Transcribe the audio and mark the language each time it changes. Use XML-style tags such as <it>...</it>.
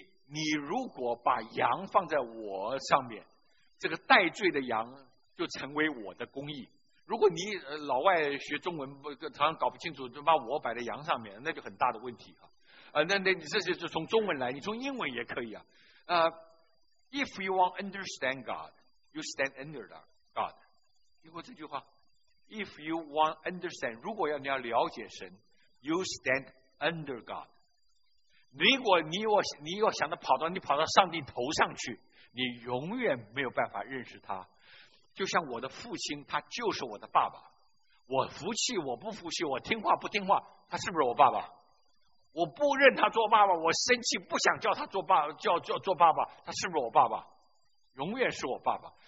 <zh>你如果把羊放在我上面，这个带罪的羊就成为我的公义。如果你老外学中文不常常搞不清楚，就把我摆在羊上面，那就很大的问题啊。那你这些就从中文来，你从英文也可以啊。</zh> <en>If you want to understand God, you stand under God.</en> <zh>听过这句话?</zh> <en>If you want to understand,</en> <zh>如果你要了解神,</zh> <en>you stand under God.</en> <zh>如果你要想着跑到你跑到上帝头上去，你永远没有办法认识他。就像我的父亲，他就是我的爸爸。我服气，我不服气，我听话不听话，他是不是我爸爸？我不认他做爸爸，我生气不想叫他做爸爸，做爸爸，他是不是我爸爸？永远是我爸爸。</zh>